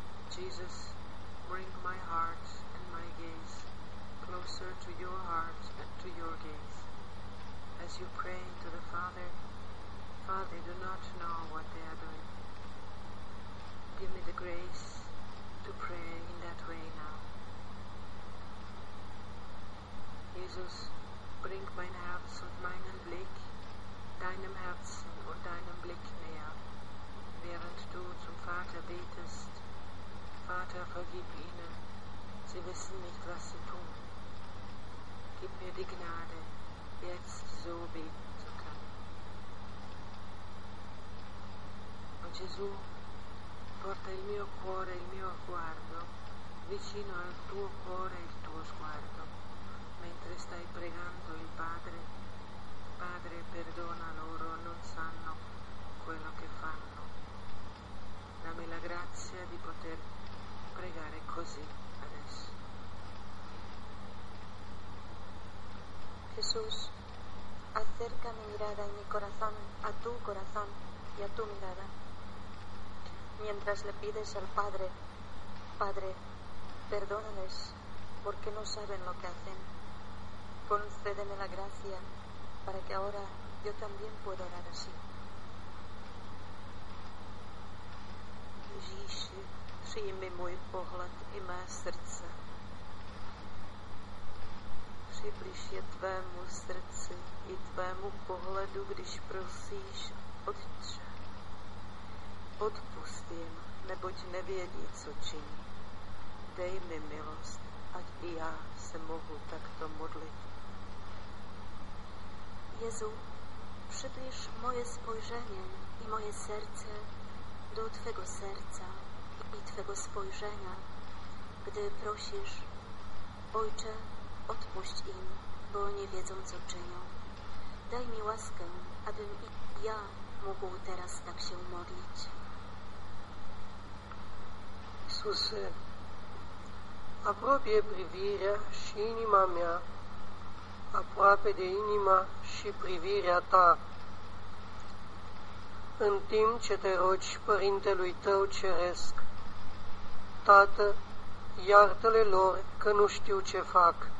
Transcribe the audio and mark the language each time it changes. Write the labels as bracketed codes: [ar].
[en] Jesus, bring my heart and my gaze closer to your heart and to your gaze. As you pray to the Father, Father, do not know what they are doing. Give me the grace to pray in that way now. [de] Jesus, bring mein Herz und meinen Blick, deinem Herzen und deinem Blick näher, während du zum Vater betest. Vater, vergib ihnen. Sie wissen nicht, was sie tun. Gib mir die Gnade, jetzt so beten zu können. [it] O Gesù, porta il mio cuore, il mio sguardo, vicino al tuo cuore, il tuo sguardo, mentre stai pregando il Padre. Padre, perdona loro, non sanno quello che fanno. Dammi la grazia di poter pregare così adesso. [es] Jesús, acerca mi mirada y mi corazón a tu corazón y a tu mirada. Mientras le pides al Padre, Padre, perdónales porque no saben lo que hacen. Concédeme la gracia para que ahora yo también pueda orar así. [cs] Ježíši, přijmi můj pohled i mé srdce. Přibliž je tvému srdci i tvému pohledu, když prosíš, Otče. Odpust jim, neboť nevědí, co činí. Dej mi milost, ať i já se mohu takto modlit. Jezu, přibliž moje spojření i moje srdce do tvého srdce. [pl] I twego spojrzenia, gdy prosisz, Ojcze, odpuść im, bo nie wiedzą, co czynią. Daj mi łaskę, abym i ja mógł teraz tak się modlić. [ro] Jezusie, aproape privirea și inima mea, aproape de inima și privirea ta, în timp ce te rogi Părintelui tău ceresc, Tată, iartă-le lor că nu știu ce fac.